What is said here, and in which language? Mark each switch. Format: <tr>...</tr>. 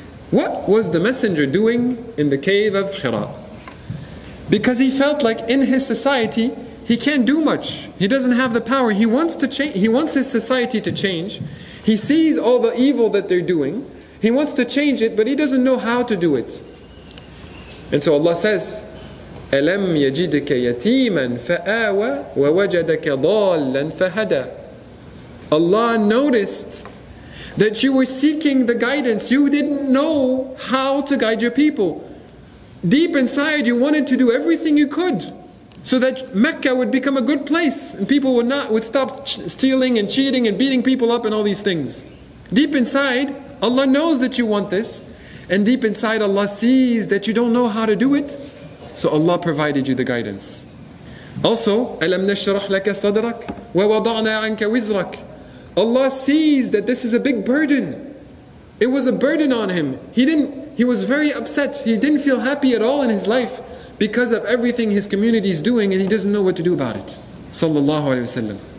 <en>What was the messenger doing in the cave of Hira? Because he felt like in his society, he can't do much. He doesn't have the power. He wants his society to change. He sees all the evil that they're doing. He wants to change it, but he doesn't know how to do it. And so Allah says,</en> <ar>أَلَمْ يَجِدْكَ يَتِيمًا فَآوَى وَوَجَدَكَ ضَالًا فَهَدَى.</ar> <en>Allah noticed that you were seeking the guidance. You didn't know how to guide your people. Deep inside, you wanted to do everything you could. so that Mecca would become a good place and people would stop stealing and cheating and beating people up and all these things. Deep inside, Allah knows that you want this, and deep inside Allah sees that you don't know how to do it. So Allah provided you the guidance.</en> <ar>Also, أَلَمْ نَشْرَحْ لَكَ صَدْرَكَ وَوَضَعْنَا عَنْكَ وِزْرَكَ.</ar> <en>Allah sees that this is a big burden. It was a burden on him. He was very upset. He didn't feel happy at all in his life because of everything his community is doing, and he doesn't know what to do about it. Sallallahu alayhi wa sallam.</en>